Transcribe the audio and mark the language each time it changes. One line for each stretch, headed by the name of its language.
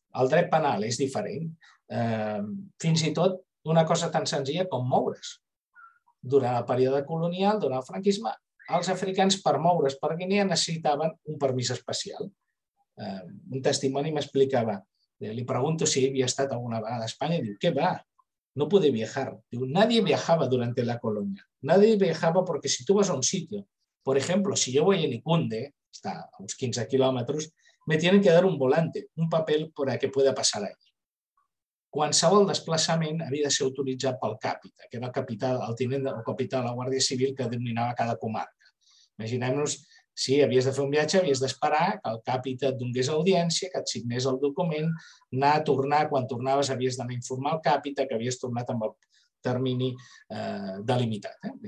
Catalan: El dret penal és diferent. Fins i tot una cosa tan senzilla com moure's. Durant el període colonial, durant el franquisme, els africans per moure's per Guinea necessitaven un permís especial. Un testimoni m'explicava, li pregunto si havia estat alguna vegada a Espanya, diu, què va?
Spanish: No pude viajar. Diu, nadie viajaba durante la colonia. Nadie viajaba porque si tú vas a un sitio, por ejemplo, si yo voy a Nicunde, está a
Catalan: uns 15 quilòmetres,
Spanish: me tienen que dar un volante, un papel per a que pueda passar allí.
Catalan: Qualsevol desplaçament havia de ser autoritzat pel càpita, que era el capità, el tinent del capità de la Guàrdia Civil que dominava cada comarca. Imaginem-nos, si havies de fer un viatge, havies d'esperar que el càpita et donés audiència, que et signés el document, anar a tornar, quan tornaves havies d'anar a informar el càpita que havies tornat amb el termini delimitat.